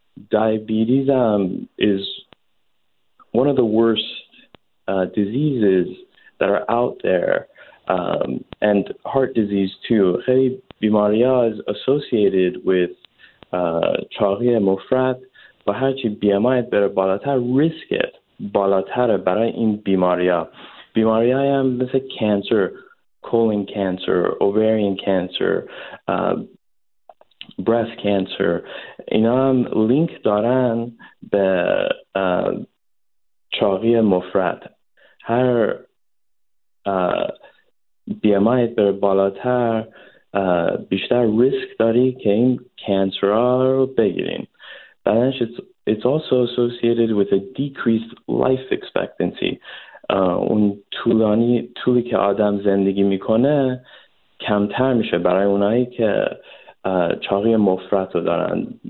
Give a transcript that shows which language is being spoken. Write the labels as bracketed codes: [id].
[en] Diabetes is one of the worst diseases that are out there. And heart disease too. [fa] خیلی بیماری ها [en] is associated with [fa] چاقی مفرط و هرچی BMI بره بالاتر ریسکت بالاتره برای این بیماری ها. بیماری های هم مثل کانسر، [en] colon cancer, ovarian cancer, breast cancer. [fa] اینا هم لینک دارن به چاقی مفرط. هر BMI بره بالاتر بیشتر ریسک داری که این کانسر رو بگیریم. بعدش [en] it's also associated with a decreased life expectancy. [fa] اون طولانی طولی که آدم زندگی میکنه کمتر میشه برای اونایی که چاقی مفرط رو دارن.